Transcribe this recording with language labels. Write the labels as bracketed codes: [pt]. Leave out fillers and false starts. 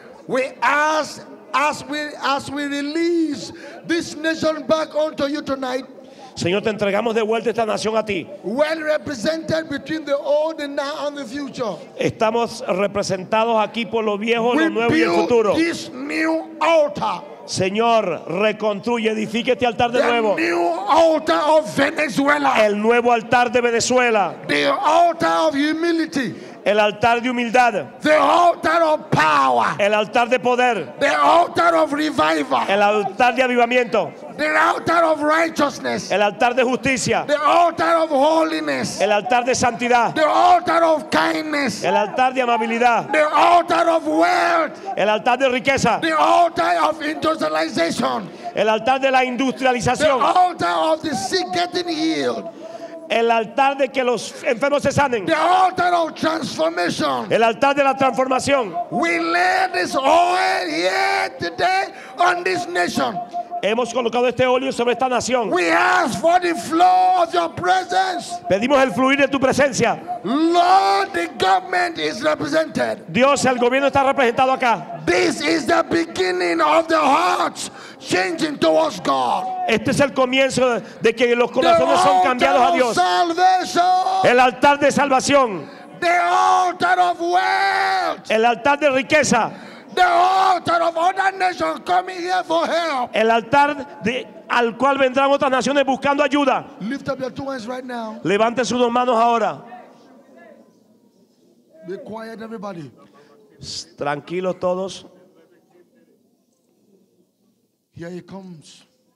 [en] We ask as we release this nation back unto you tonight. [es] Señor, te entregamos de vuelta esta nación a ti. [en] Well represented between the old and now and the future. [es] Estamos representados aquí por lo viejo, lo nuevo y el futuro. [en] This new altar. [es] Señor, reconstruye, edifique este altar de nuevo. [en] The new altar of Venezuela. [es] El nuevo altar de Venezuela. [en] The altar of humility. [es] El altar de humildad. [en] The altar of power. [es] El altar de poder. [en] The altar of revival. [es] El altar de avivamiento. [en] The altar of righteousness. [es] El altar de justicia. [en] The altar of holiness. [es] El altar de santidad. [en] The altar of kindness. [es] El altar de amabilidad. [en] The altar of wealth. [es] El altar de riqueza. [en] The altar of industrialization. [es] El altar de la industrialización. [en] The altar of the sick getting healed. [es] El altar de que los enfermos se sanen. [en] The altar of transformation. [es] El altar de la transformación. [en] We lay this oil here today on this nation. [es] Hemos colocado este óleo sobre esta nación. [en] We ask for the flow of your presence. [es] Pedimos el fluir de tu presencia. [en] Lord, the government is represented. [es] Dios, el gobierno está representado acá. [en] This is the beginning of the hearts changing towards God. [es] Este es el comienzo de que los corazones son cambiados a Dios. [en] Salvation. [es] El altar de salvación. [en] The altar of wealth. [es] El altar de riqueza. [en] The altar of other nations coming here for help. [es] El altar de al cual vendrán otras naciones buscando ayuda. [en] Lift up your two hands right now. [es] Levante sus dos manos ahora. [en] Be quiet, everybody. [es] Tranquilos todos. [en] Here he comes.